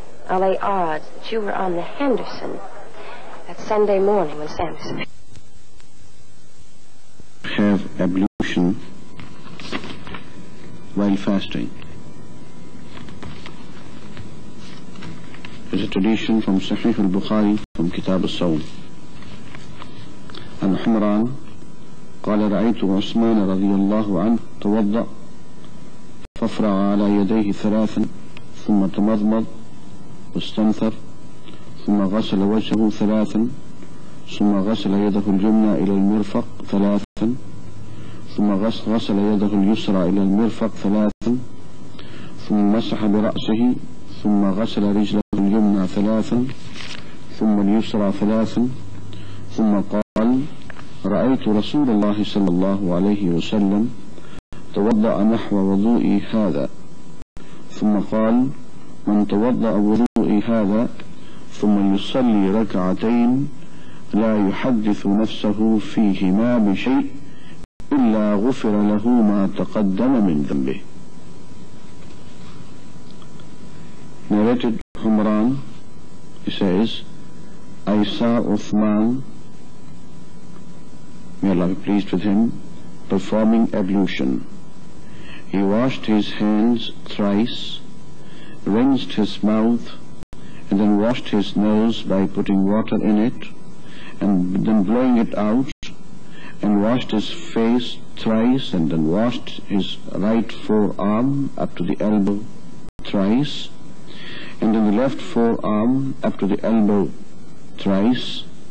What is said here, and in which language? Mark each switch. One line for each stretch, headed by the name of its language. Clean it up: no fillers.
English: LA odds that you were on the Henderson that Sunday morning when Samson have ablution while fasting. It's a tradition from Sahih al-Bukhari from Kitab al-Sawm.
Arabic: عن حمران قال رأيت عثمان رضي الله عنه توضأ ففرع على يديه ثلاثا ثم تمضمض واستنثر ثم غسل وجهه ثلاثا ثم غسل يده اليمنى إلى المرفق ثلاثا ثم غسل يده اليسرى إلى المرفق ثلاثا ثم مسح برأسه ثم غسل رجله اليمنى ثلاثا ثم اليسرى ثلاثا ثم قال رأيت رسول الله صلى الله عليه وسلم توضأ نحو وضوئي هذا، ثم قال من توضأ وضوئي هذا ثم يصلي ركعتين لا يحدث نفسه فيهما بشيء إلا غفر له ما تقدم من ذنبه.
English: narrated حمران, he says, I saw Uthman, may Allah be pleased with him, performing ablution. He washed his hands thrice, rinsed his mouth, and then washed his nose by putting water in it, and then blowing it out, and washed his face thrice, and then washed his right forearm up to the elbow thrice, and then the left forearm up to the elbow thrice,